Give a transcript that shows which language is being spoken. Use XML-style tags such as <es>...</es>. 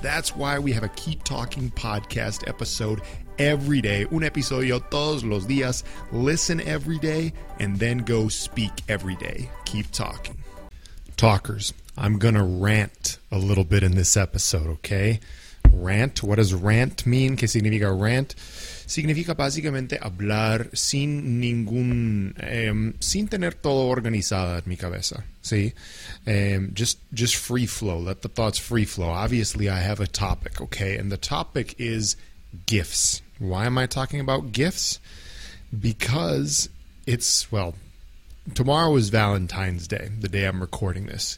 <en>That's why we have a Keep Talking Podcast episode every day.</en> <es>Un episodio todos los días.</es> <en>Listen every day and then go speak every day. Keep talking. Talkers, I'm going to rant a little bit in this episode, okay? Rant, what does rant mean?</en> <es>¿Qué significa rant? Significa básicamente hablar sin ningún, sin tener todo organizado en mi cabeza, ¿sí?</es> <en>Just free flow, let the thoughts free flow. Obviously, I have a topic, okay? And the topic is gifts. Why am I talking about gifts? Because it's, well, tomorrow is Valentine's Day, the day I'm recording this.</en>